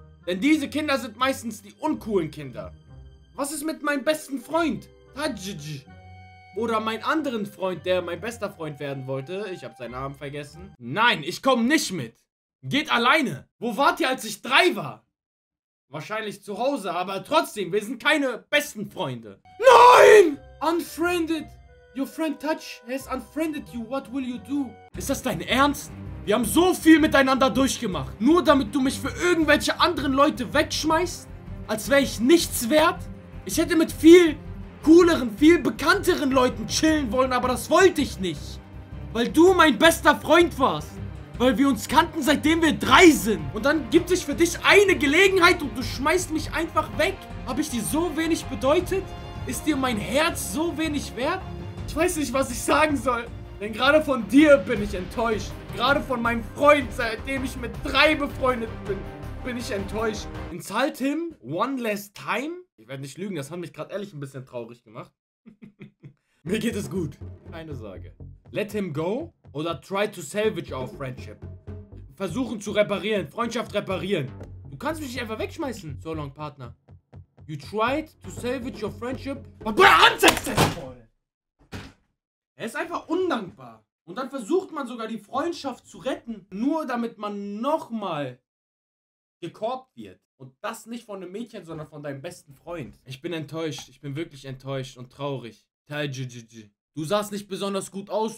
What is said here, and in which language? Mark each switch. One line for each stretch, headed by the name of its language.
German: Denn diese Kinder sind meistens die uncoolen Kinder. Was ist mit meinem besten Freund? Tajij. Oder mein anderen Freund, der mein bester Freund werden wollte. Ich habe seinen Namen vergessen. Nein, ich komme nicht mit. Geht alleine. Wo wart ihr, als ich 3 war? Wahrscheinlich zu Hause, aber trotzdem, wir sind keine besten Freunde. Nein!
English: Unfriended. Your friend Touch has unfriended you. What will you do?
German: Ist das dein Ernst? Wir haben so viel miteinander durchgemacht. Nur damit du mich für irgendwelche anderen Leute wegschmeißt, als wäre ich nichts wert. Ich hätte mit viel cooleren, viel bekannteren Leuten chillen wollen, aber das wollte ich nicht. Weil du mein bester Freund warst. Weil wir uns kannten, seitdem wir 3 sind. Und dann gibt es für dich eine Gelegenheit und du schmeißt mich einfach weg. Habe ich dir so wenig bedeutet? Ist dir mein Herz so wenig wert? Ich weiß nicht, was ich sagen soll. Denn gerade von dir bin ich enttäuscht. Gerade von meinem Freund, seitdem ich mit 3 befreundet bin, bin ich enttäuscht.
English: Insult him one last time?
German: Ich werde nicht lügen, das hat mich gerade ehrlich ein bisschen traurig gemacht. Mir geht es gut. Keine Sorge.
English: Let him go oder try to salvage our friendship.
German: Versuchen zu reparieren, Freundschaft reparieren. Du kannst mich nicht einfach wegschmeißen,
English: so long partner. You tried to salvage your friendship, but we're unsuccessful.
German: Er ist einfach undankbar. Und dann versucht man sogar die Freundschaft zu retten, nur damit man nochmal gekorbt wird. Und das nicht von einem Mädchen, sondern von deinem besten Freund. Ich bin enttäuscht. Ich bin wirklich enttäuscht und traurig. Du sahst nicht besonders gut aus.